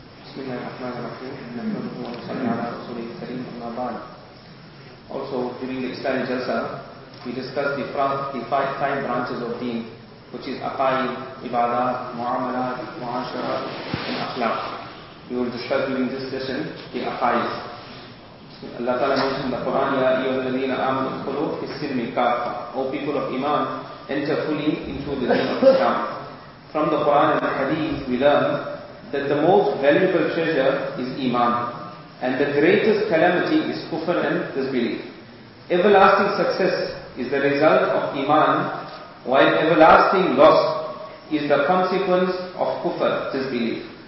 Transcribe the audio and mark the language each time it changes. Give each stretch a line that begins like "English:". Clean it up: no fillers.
Arabic: بسم الله الرحمن الرحيم نحمده ونصلي على رسوله الكريم أما بعد.
English: Also during the Islamic Jalsa we discussed the five prime branches of Deen, which is Aqaid, Ibadat, Mu'amalat, Mu'ashara and Akhlaq. We will discuss during this session the Aqaid. Allah Ta'ala mentioned in the Quran,
Arabic: يَا أَيُّهَا الَّذِينَ آمَنُوا ادْخُلُوا فِي السِّلْمِ كَافَّةً.
English: O people of Iman, enter fully into the Deen of Islam. From the Quran and the Hadith we learn that the most valuable treasure is Iman, and the greatest calamity is kufr and disbelief. Everlasting success is the result of Iman, while everlasting loss is the consequence of kufr, disbelief.